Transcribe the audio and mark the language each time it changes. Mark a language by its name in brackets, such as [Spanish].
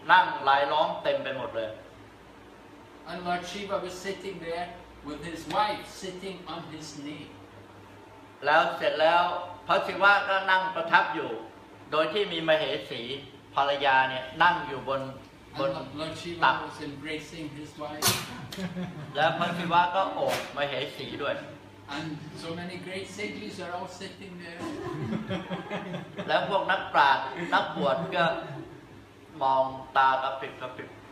[Thai] พอไปถึงเกาลาไกรลาศเขาไกรลาศพระศิวะประทับอยู่นั่งประทับอยู่แล้วก็เห็นนักบวชนักบุญพวกโยคีนั่งหลายล้อมเต็มไปหมดเลย [English] And Lord Shiva was sitting there with his wife sitting on his knee. [Thai] แล้วเสร็จแล้วพระศิวะก็นั่งประทับอยู่โดยที่มีมเหสีภรรยาเนี่ยนั่งอยู่บนตัก [English] Lord Shiva was embracing his wife. [Thai] แล้วพระศิวะก็โอบมเหสีด้วย [English] And so many great sages are all sitting there. [Thai] แล้วพวกนักปราชญ์นักบวชก็มองตากระพริบกระพริบ